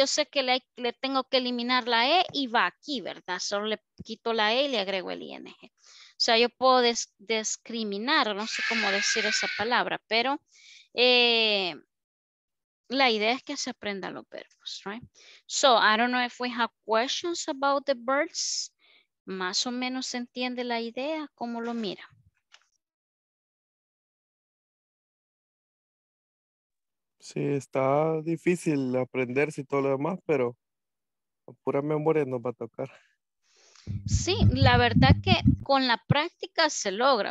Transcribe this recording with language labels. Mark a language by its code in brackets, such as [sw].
[es] Yo sé que le tengo que eliminar la E y va aquí, ¿verdad? Solo le quito la E y le agrego el ING. O sea, yo puedo discriminar, no sé cómo decir esa palabra, pero la idea es que se aprenda los verbos, right? [en] So, I don't know if we have questions about the birds. [es] Más o menos se entiende la idea, ¿cómo lo mira? Sí. Sí, está difícil aprender si todo lo demás, pero a pura memoria nos va a tocar. Sí, la verdad que con la práctica se logra.